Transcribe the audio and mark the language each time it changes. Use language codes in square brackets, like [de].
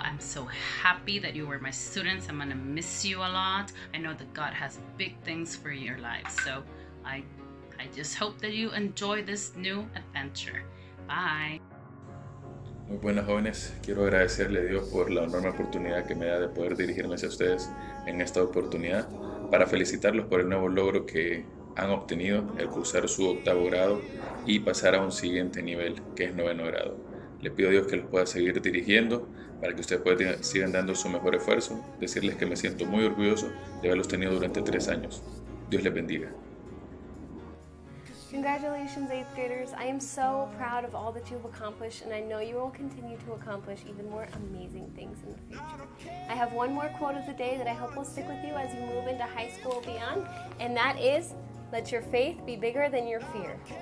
[en] I'm so happy that you were my students. I'm gonna miss you a lot. I know that God has big things for your lives. So I just hope that you enjoy this new adventure. Bye. [es] Muy buenas, jóvenes. Quiero agradecerle a Dios por la enorme oportunidad que me da de poder dirigirme hacia ustedes en esta oportunidad para felicitarlos por el nuevo logro que han obtenido, el cursar su octavo grado y pasar a un siguiente nivel, que es noveno grado. Les pido a Dios que los pueda seguir dirigiendo para que ustedes sigan dando su mejor esfuerzo. Decirles que me siento muy orgulloso de haberlos tenido durante 3 años. Dios les bendiga. [en] Congratulations, 8th graders. I am so proud of all that you've accomplished, and I know you will continue to accomplish even more amazing things in the future. I have one more quote of the day that I hope will stick with you as you move into high school or beyond, and that is, let your faith be bigger than your fear.